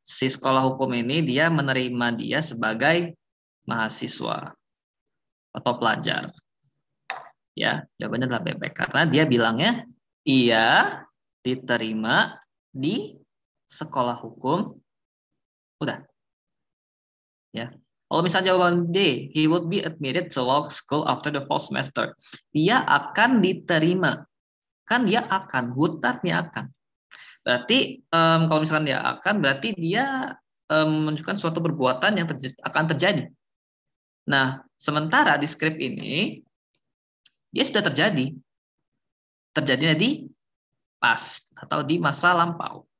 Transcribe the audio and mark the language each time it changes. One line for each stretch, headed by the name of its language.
Indonesian: Si sekolah hukum ini dia menerima dia sebagai mahasiswa atau pelajar. Ya, jawabannya adalah bebek karena dia bilangnya ia diterima di sekolah hukum Udah. Ya. Kalau misalnya jawaban D,
English: he would be admitted to law school after the fall semester.
Indonesian: Dia akan diterima. Kan dia akan, would artinya akan. Berarti kalau misalkan dia akan, berarti dia menunjukkan suatu perbuatan yang akan terjadi. Nah, sementara di script ini, dia sudah terjadi. Terjadinya di past atau di masa lampau.